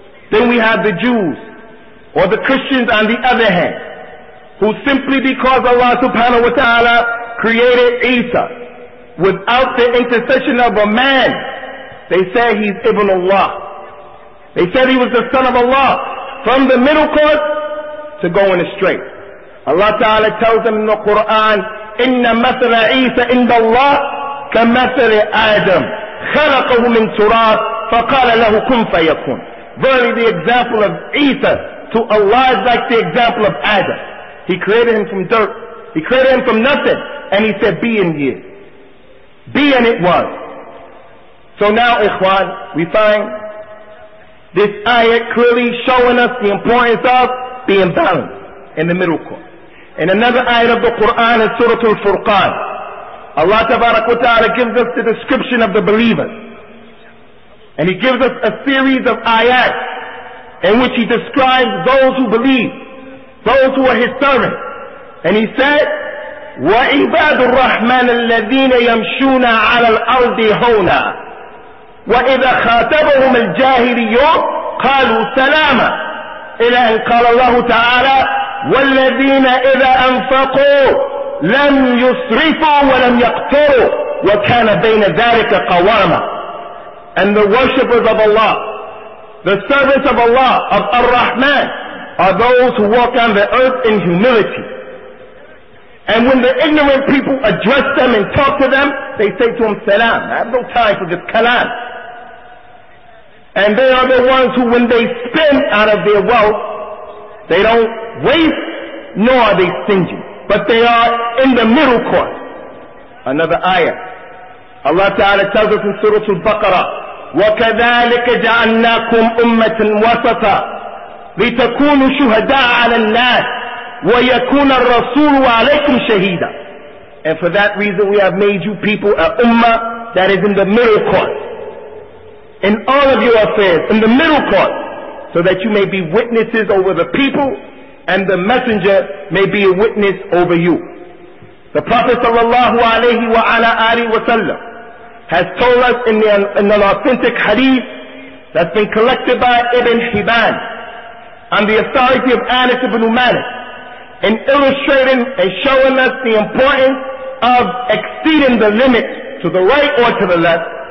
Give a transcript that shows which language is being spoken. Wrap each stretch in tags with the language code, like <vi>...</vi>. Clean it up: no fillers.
<en>Then we have the Jews or the Christians on the other hand, who simply because Allah subhanahu wa ta'ala created Isa without the intercession of a man, they say he's Ibn Allah. They said he was the son of Allah from the middle course to going astray. Allah ta'ala tells them in the Quran,</en> <ar>إِنَّ مَثَلَ عِيسَ إِنَّ اللَّهِ كَمَثَلِ آدَمْ خَلَقَهُ مِنْ تُرَابٍ فَقَالَ لَهُ كُنْ فَيَكُونَ.</ar> <en>Verily the example of Isa to Allah is like the example of Adam. He created him from dirt. He created him from nothing. And he said, be and he is. Be and it was. So now, ikhwan, we find this ayat clearly showing us the importance of being balanced in the middle court. In another ayat of the Quran is Surah Al-Furqan. Allah Tabarak wa Ta'ala gives us the description of the believers. And He gives us a series of ayat in which He describes those who believe, those who are His servants. And He said,</en> <ar>وَعِبَادُ الرَّحْمَنَ الَّذِينَ يَمْشُونَ عَلَى الْأَرْضِ هَوْنًا وَإِذَا خَاتَبَهُمَ الْجَاهِلِيُّ قَالُوا سَلَامًا إلى أن قال الله تعالى والذين إذا أنفقوا لم يسرفوا ولم يقتروا وكان بين ذلك قواما.</ar> <en>And the worshippers of Allah, the servants of Allah, of Ar-Rahman, are those who walk on the earth in humility. And when the ignorant people address them and talk to them, they say to them, Salam, I have no time for this kalam. And they are the ones who when they spend out of their wealth, they don't waste, nor are they stingy. But they are in the middle court. Another ayah. Allah Ta'ala tells us in Surah Al-Baqarah,</en> <ar>وَكَذَلِكَ جَعَلْنَاكُمْ أُمَّةً وَسَطًا لِتَكُونُوا شُهَدَاءَ عَلَى النَّاسِ وَيَكُونَ الرَّسُولُ عَلَيْكُمْ شَهِيدًا.</ar> <en>And for that reason we have made you people a ummah that is in the middle court. In all of your affairs, in the middle court, so that you may be witnesses over the people, and the messenger may be a witness over you. The Prophet sallallahu alayhi wa ala alihi wa sallam has told us in an authentic hadith that's been collected by Ibn Hibban on the authority of Anas ibn Malik, in illustrating and showing us the importance of exceeding the limit to the right or to the left.</en>